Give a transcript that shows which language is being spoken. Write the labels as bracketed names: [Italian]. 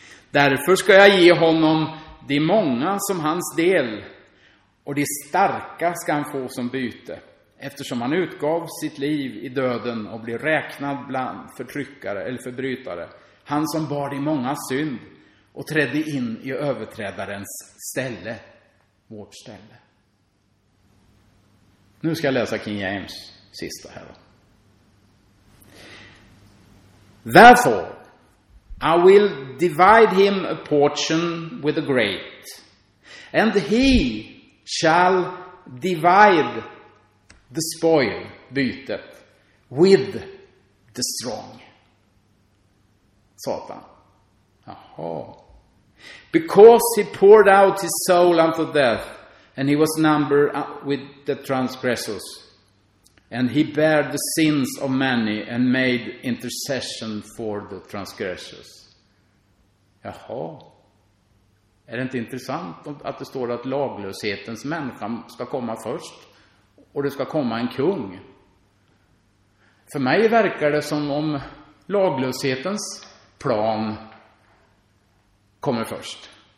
[Swedish] Därför ska jag ge honom de många som hans del, och de starka ska han få som byte, eftersom han utgav sitt liv i döden och blev räknad bland förtryckare eller förbrytare. Han som bar de många synd och trädde in i överträdarens ställe, vårt ställe. Nu ska jag läsa King James sista här. [English] Therefore, I will divide him a portion with the great, and he shall divide the spoil, bytet, with the strong. Satan. [Swedish] Jaha. [English] Because he poured out his soul unto death, and he was numbered with the transgressors, and he bare the sins of many, and made intercession for the transgressors. [Swedish] Jaha. Är det inte intressant att det står att laglöshetens människa ska komma först, och det ska komma en kung? För mig verkar det som om laglöshetens plan kommer först.